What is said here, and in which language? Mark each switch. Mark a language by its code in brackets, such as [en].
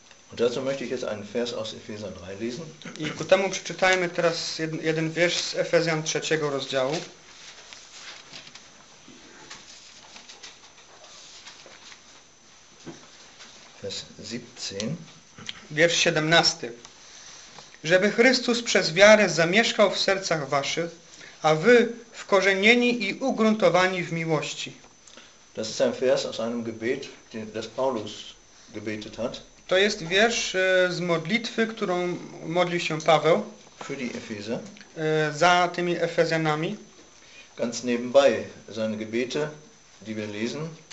[de] Und dazu möchte ich jetzt einen Vers aus Epheser 3 lesen. [pl] I ku temu przeczytajmy teraz jeden wiersz z Efezjan 3 rozdziału. [de] Vers 17. [pl] Wiersz 17. Żeby Chrystus przez wiarę zamieszkał w sercach waszych, a wy wkorzenieni i ugruntowani w miłości. [de] Das ist ein Vers aus einem Gebet, das Paulus gebetet hat. [pl] To jest wiersz z modlitwy, którą modlił się Paweł [de] für die Epheser. [pl] Za tymi Efezjanami. [de] Ganz nebenbei seine Gebete, die wir lesen.